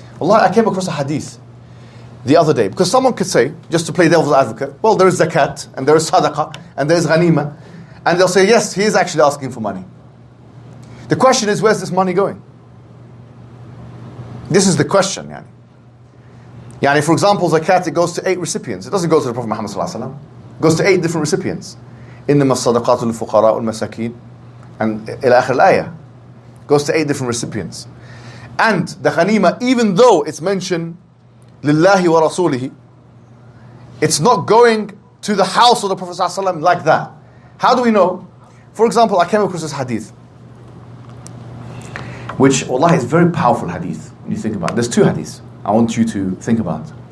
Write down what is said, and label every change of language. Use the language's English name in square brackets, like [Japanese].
[English] Allah, I came across a hadith the other day. Because someone could say, just to play devil's advocate, well, there is zakat, and there is sadaqah, and there is ghanima. And they'll say, yes, he is actually asking for money. The question is, where's this money going? This is the question, yani. Yani, for example, zakat, it goes to 8 recipients. It doesn't go to the Prophet Muhammad ﷺ. It goes to 8 different recipients. [Arabic] إِنَّمَا الصَّدَقَاتُ لِلْفُقَرَاءُ الْمَسَكِينَ [English] and [Arabic] إِلَى آخِرِ الْآيَةِ [English] goes to 8 different recipients. And the ghanima, even though it's mentioned [Arabic] لِلَّهِ وَرَسُولِهِ, [English] it's not going to the house of the Prophet ﷺ like that. How do we know? For example, I came across this hadith, which, wallahi, is a very powerful hadith when you think about it. There's 2 hadiths I want you to think about.